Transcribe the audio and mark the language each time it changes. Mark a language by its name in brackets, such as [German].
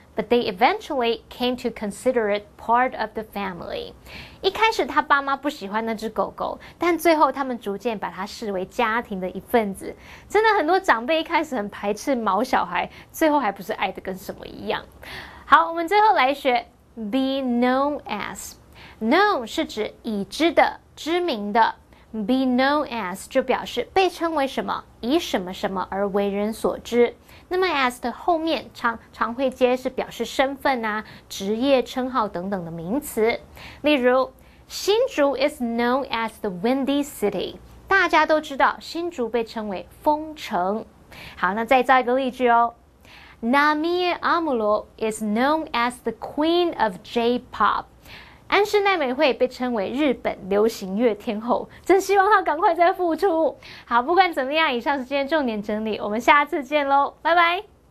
[English] but they eventually came to consider it part of the family. [Chinese] 一开始他爸妈不喜欢那只狗狗，但最后他们逐渐把它视为家庭的一份子。真的很多长辈一开始很排斥毛小孩，最后还不是爱得跟什么一样。好，我们最后来学 be known as。 Known 是指已知的、知名的。Be known as 就表示被称为什么，以什么什么而为人所知。那么 as 的后面常会接是表示身份啊、职业、称号等等的名词。 [English] 例如，新竹 is known as the Windy City。 [Chinese] 大家都知道新竹被称为风城。好，那再造一个例句哦。 [English] Namie Amuro is known as the Queen of J-pop。 [Chinese] 安室奈美惠被称为日本流行乐天后，真希望她赶快再复出。好，不管怎么样，以上是今天重点整理，我们下次见喽，拜拜。